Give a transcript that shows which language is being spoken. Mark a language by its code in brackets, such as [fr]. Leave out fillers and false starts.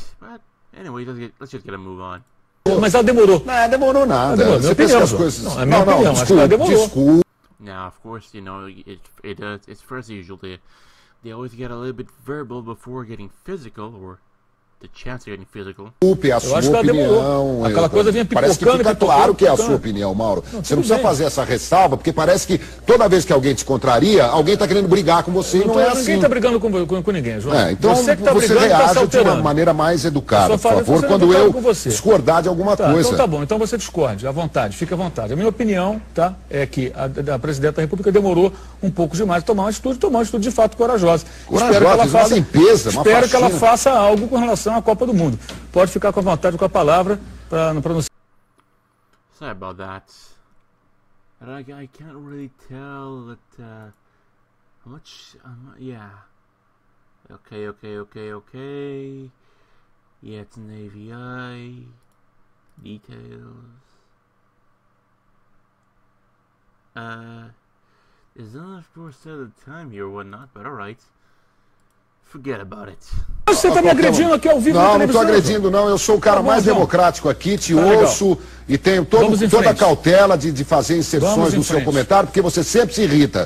[en] But, anyway, let's just get a move on. [pt] Mas ela demorou. Não, demorou nada. Você pensa opinião. Que as coisas... Não, minha opinião, não, desculpa, acho que ela demorou. Desculpa. [en] Now, of course, you know, it's first usually. They always get a little bit verbal before getting physical, or the chance of getting physical. [pt] Desculpe, a sua opinião. Aquela coisa vinha pipocando. Parece que fica claro que é a sua opinião, Mauro. Não, você não precisa fazer essa ressalva, porque parece que toda vez que alguém te contraria, alguém está querendo brigar com você e não é assim. Ninguém está brigando com ninguém, João. É, então você reage de uma maneira mais educada, por favor, quando eu discordar de alguma coisa. Então tá bom, então você discorde, à vontade, fica à vontade. A minha opinião, tá, é que a presidenta da República demorou um pouco demais a tomar uma atitude de fato corajosa. Corajosa, uma limpeza, uma faxina. Espero que ela faça algo com relação a Copa do Mundo. Pode ficar com vontade com a palavra para não pronunciar. [en] Sorry about that. I can't really tell that how much yeah. Okay. Yeah, it's an AVI. Details. Is that of course set of time here or whatnot, but alright. Forget about it. [pt] Você tá me agredindo aqui ao vivo? Não, não tô agredindo, não. Eu sou o cara mais democrático aqui, te ouço e tenho toda a cautela de fazer inserções no seu comentário, porque você sempre se irrita.